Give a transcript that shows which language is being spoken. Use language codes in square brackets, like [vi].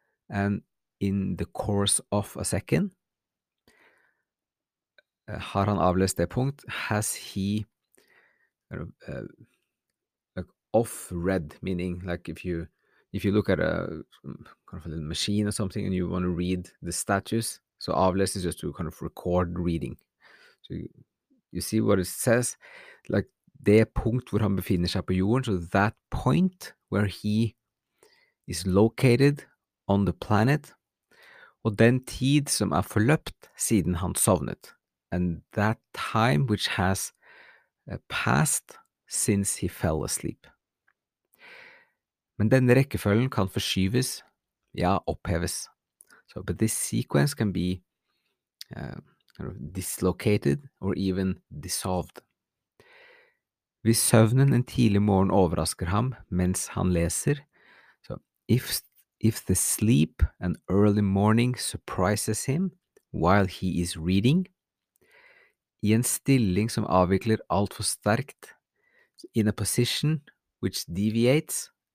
[en] And in the course of a second, [no] har han avlest det punkt, [en] has he like off read, meaning like if you look at a kind of a little machine or something and you want to read the status, so avlest is just to kind of record reading. So you see what it says, like [no] det punkt hvor han befinner seg på jorden, [en] so that point where he is located on the planet, [no] og den tid som forløpt siden han sovnet. [en] And that time which has passed since he fell asleep. [no] Men denne rekkefølgen kan forskyves, ja, oppheves. [en] So, but this sequence can be kind of dislocated or even dissolved. [no] Hvis søvnen en tidlig morgen overrasker ham mens han leser, [en] so if the sleep an early morning surprises him while he is reading, [no] I en stilling som avvikler alt for sterkt, [en] in a position which deviates